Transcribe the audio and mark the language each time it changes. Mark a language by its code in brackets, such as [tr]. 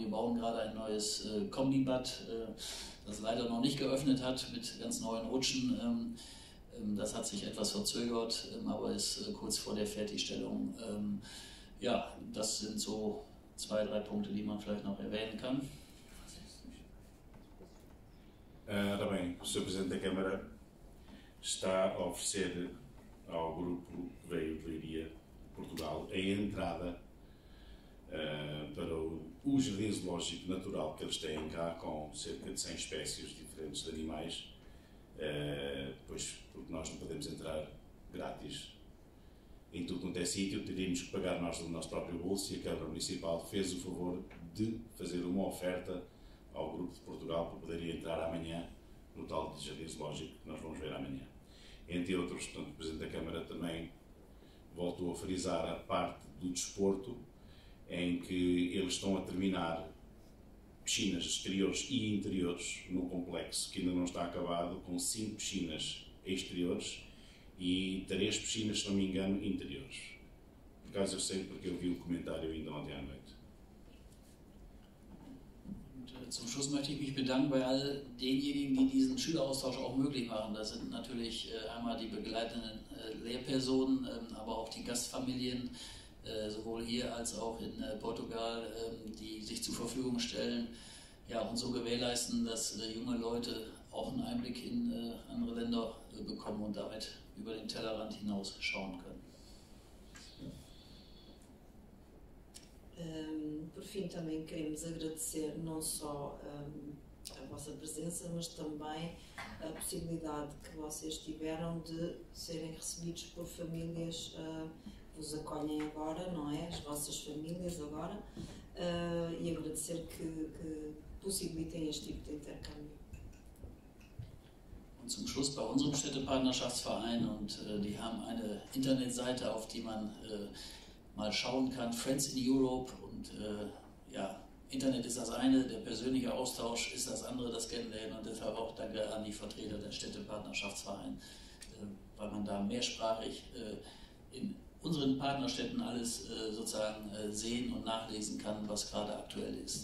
[de] Wir bauen gerade ein neues Kombibad, das leider noch nicht geöffnet hat, mit ganz neuen Rutschen. Das hat sich etwas verzögert, aber ist kurz vor der Fertigstellung. Ja, das sind so zwei, drei Punkte, die man vielleicht noch erwähnen kann. [pt] Também, o Sr. Presidente da Câmara está a oferecer ao grupo que veio de Leiria Portugal, a entrada para o jardim zoológico natural que eles têm cá, com cerca de 100 espécies diferentes de animais, pois porque nós não podemos entrar grátis em tudo quanto é sítio, teríamos que pagar nós do nosso próprio bolso e a Câmara Municipal fez o favor de fazer uma oferta ao grupo de Portugal para poder entrar amanhã no tal de jardim zoológico que nós vamos ver amanhã. Entre outros, portanto, o Presidente da Câmara também voltou a frisar a parte do desporto, em que eles estão a terminar piscinas exteriores e interiores no complexo, que ainda não está acabado, com 5 piscinas exteriores e 3 piscinas, se não me engano, interiores. Por acaso eu sei, porque eu vi o comentário ainda ontem à noite. [de] Zum Schluss möchte ich mich bedanken bei all denjenigen, die diesen Schüleraustausch auch möglich machen. Das sind natürlich einmal die begleitenden Lehrpersonen, aber auch die Gastfamilien, sowohl hier als auch in Portugal, die sich zur Verfügung stellen, ja, und so gewährleisten, dass junge Leute auch einen Einblick in andere Länder bekommen und damit über den Tellerrand hinaus schauen können. [pt] Por fim, também queremos agradecer não só a vossa presença, mas também a possibilidade que vocês tiveram de serem recebidos por famílias que vos acolhem agora, não é? As vossas famílias agora, e agradecer que possibilitem este tipo de intercâmbio. [de] Und zum Schluss bei unserem Städtepartnerschaftsverein, und die haben eine Internetseite, auf die man mal schauen kann, Friends in Europe, und ja, Internet ist das eine, der persönliche Austausch ist das andere, das Kennenlernen, und deshalb auch danke an die Vertreter der Städtepartnerschaftsverein, weil man da mehrsprachig in unseren Partnerstädten alles sozusagen sehen und nachlesen kann, was gerade aktuell ist.